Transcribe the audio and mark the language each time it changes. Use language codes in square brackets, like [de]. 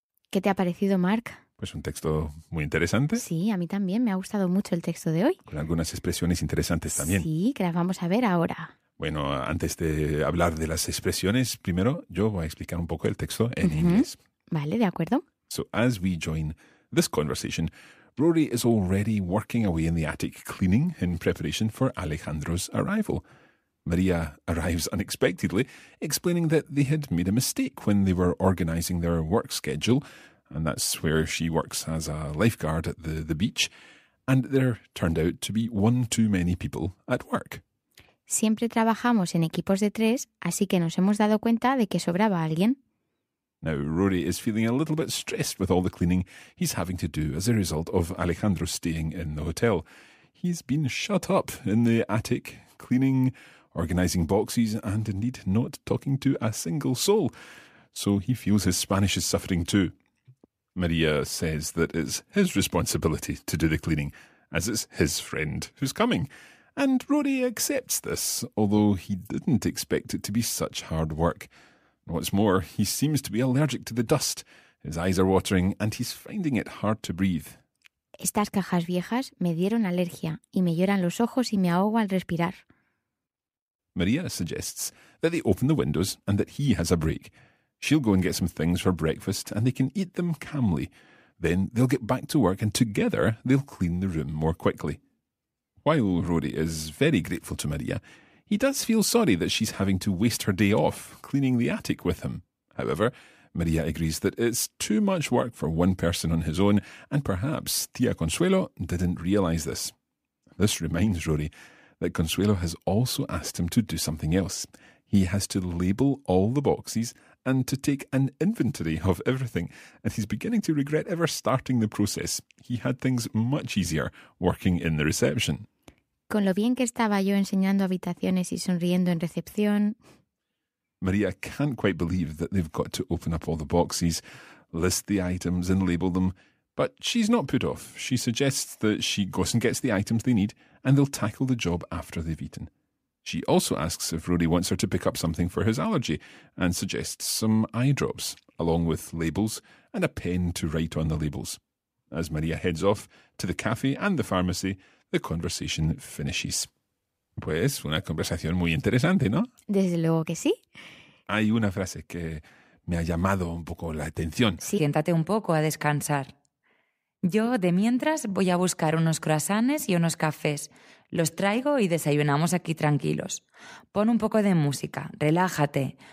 [es] ¿Qué te ha parecido, Mark? Pues un texto muy interesante. Sí, a mí también. Me ha gustado mucho el texto de hoy. Con algunas expresiones interesantes también. Sí, que las vamos a ver ahora. Bueno, antes de hablar de las expresiones, primero yo voy a explicar un poco el texto en inglés. Vale, de acuerdo. [en] So as we join this conversation, Rory is already working away in the attic, cleaning in preparation for Alejandro's arrival. Maria arrives unexpectedly, explaining that they had made a mistake when they were organising their work schedule, and that's where she works as a lifeguard at the beach, and there turned out to be one too many people at work. [es] Siempre trabajamos en equipos de tres, así que nos hemos dado cuenta de que sobraba alguien. [en] Now, Rory is feeling a little bit stressed with all the cleaning he's having to do as a result of Alejandro staying in the hotel. He's been shut up in the attic, cleaning, organizing boxes, and indeed not talking to a single soul. So he feels his Spanish is suffering too. Maria says that it's his responsibility to do the cleaning, as it's his friend who's coming. And Rory accepts this, although he didn't expect it to be such hard work. What's more, he seems to be allergic to the dust. His eyes are watering and he's finding it hard to breathe. [es] Estas cajas viejas me dieron alergia y me lloran los ojos y me ahogo al respirar. [en] Maria suggests that they open the windows and that he has a break. She'll go and get some things for breakfast and they can eat them calmly. Then they'll get back to work and together they'll clean the room more quickly. While Rory is very grateful to Maria, he does feel sorry that she's having to waste her day off cleaning the attic with him. However, Maria agrees that it's too much work for one person on his own, and perhaps Tia Consuelo didn't realise this. This reminds Rory that Consuelo has also asked him to do something else. He has to label all the boxes and to take an inventory of everything, and he's beginning to regret ever starting the process. He had things much easier working in the reception. [es] Con lo bien que estaba yo enseñando habitaciones y sonriendo en recepción... [en] Maria can't quite believe that they've got to open up all the boxes, list the items and label them, but she's not put off. She suggests that she goes and gets the items they need and they'll tackle the job after they've eaten. She also asks if Rory wants her to pick up something for his allergy and suggests some eye drops, along with labels and a pen to write on the labels. As Maria heads off to the cafe and the pharmacy, the conversation finishes. [es] Pues, una conversación muy interesante, ¿no? Desde luego que sí. Hay una frase que me ha llamado un poco la atención. Sí. Siéntate un poco a descansar. Yo, de mientras, voy a buscar unos croissants y unos cafés. Los traigo y desayunamos aquí tranquilos. Pon un poco de música, relájate.